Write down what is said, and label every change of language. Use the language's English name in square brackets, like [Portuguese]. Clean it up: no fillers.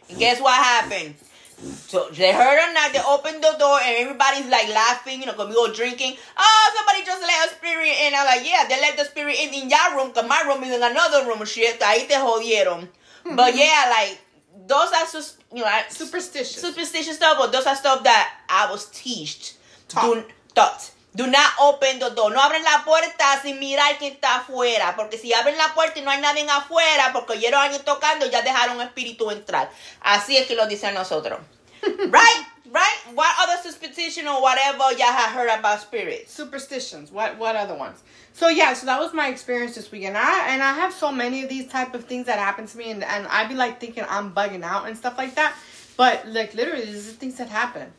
[English] And guess what happened? So they heard a knock. They opened the door, and everybody's like laughing, you know, because we were drinking. Oh, somebody just let a spirit in. I was like, yeah, they let the spirit in your room, because my room is in another room. Shit, [Spanish] ahí te jodieron. [English] But yeah, like, those are just, you know, superstitious stuff, but those are stuff that I was teached. Do not open the door. [Spanish] No abren la puerta sin mirar quién está afuera. Porque si abren la puerta y no hay nadie afuera, porque oyeron a alguien tocando, ya dejaron un espíritu entrar. Así es que lo dicen nosotros. [English] Right? Right? What other superstition or whatever y'all have heard about spirits? Superstitions. What other ones? So, yeah, so that was my experience this weekend. I have so many of these type of things that happen to me, and I be, like, thinking I'm bugging out and stuff like that. But, like, literally, these are things that happen.